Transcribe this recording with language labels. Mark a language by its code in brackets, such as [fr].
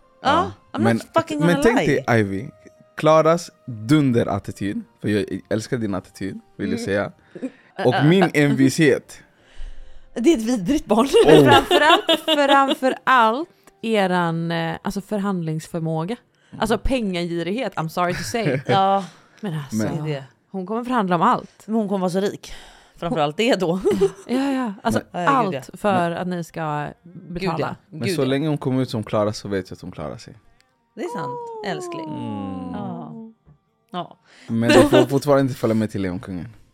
[sv] Ja, [en] I'm not fucking gonna lie. [sv] Men tänk dig, Ivy. Klaras dunderattityd, för jag älskar din attityd, vill jag säga. Och min envishet. Det är ett vidrigt barn. Oh. Framför allt eran alltså förhandlingsförmåga. Alltså pengagirighet, [en] I'm sorry to say. [sv] Ja, men alltså. Men. Hon kommer förhandla om allt. Men hon kommer vara så rik. Framförallt det då. Ja. Alltså men. Allt för att ni ska betala. Gud, ja. Men så länge hon kommer ut som Klara så vet jag att hon klarar sig. Det är sant, älskling. Ja. Men du får fortfarande inte följa med till Lejonkungen.